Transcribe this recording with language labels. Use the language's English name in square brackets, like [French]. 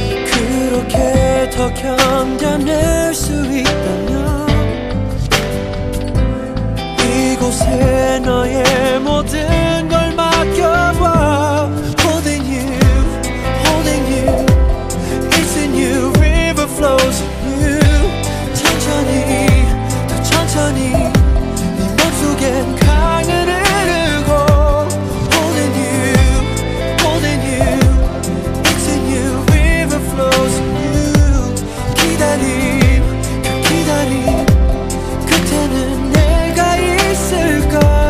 [Korean] 그렇게 더 견뎌낼 수 있다면 이곳에 너의 모든 걸 맡겨봐. [English] Holding you, holding you, it's a new river flows in you. [Korean] 천천히, 더 천천히 네 맘속엔 강을 흐르고. [English] Holding you, holding you, it's a new river flows in you. [Korean] 기다림, 기다림 끝에는 내가 있을까.